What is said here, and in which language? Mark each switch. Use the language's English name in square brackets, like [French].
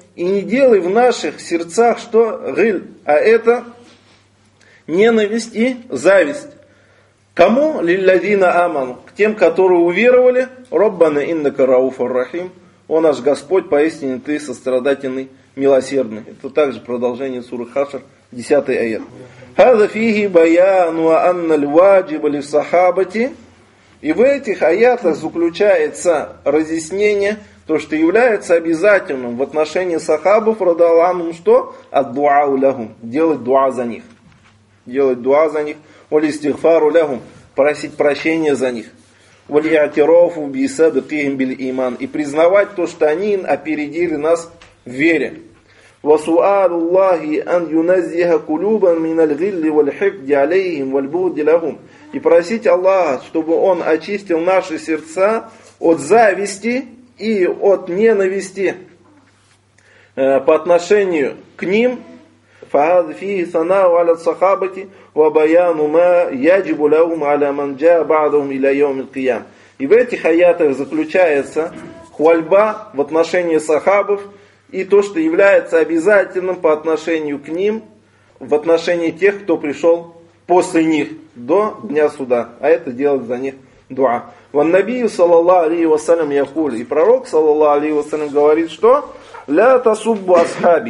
[Russian] И не делай в наших сердцах что? Гиль. А это ненависть и зависть. Кому? [Arabic] لِلَّذِينَ آمَنُوا. [Russian] К тем, которые уверовали. [Arabic] رَبَّنَا إِنَّكَ رَعُوفَ الرَّحِيمُ. [Russian] О наш Господь, поистине ты сострадательный, милосердный. Это также продолжение суры Хашр, 10 аят. [Arabic] هذا فيه بيان وأن الواجب للصحابة. [Russian] И в этих аятах заключается разъяснение, то, что является обязательным в отношении сахабов, радаллаху, что? [Arabic] Аддуа лягум. [Russian] Делать дуа за них. Делать дуа за них. [Arabic] Оли стихфару лягум. [Russian] Просить прощения за них. [Arabic] Оли атирофу бисаду кием бил иман. [Russian] И признавать то, что они опередили нас в вере. [Arabic] وسؤال الله أن ينزه قلوبا من الغل والحقد عليهم والبغض لهم. [Russian] И просить Аллаха, чтобы Он очистил наши сердца от зависти и от ненависти по отношению к ним. [Arabic] فهذا فيه ثناء على الصحابة وبيان ما يجب لهم على من جاء بعدهم إلى يوم القيامة. [Russian] И в этих аятах заключается хвальба в отношении сахабов и то, что является обязательным по отношению к ним, в отношении тех, кто пришел после них до дня суда. А это делать за них дуа. [Arabic] Ваннабию саллаллаху алейхи вассалям якуль. [Russian] И пророк саллаллаху алейхи вассалям говорит, что [Arabic] ля тасуббу асхаби.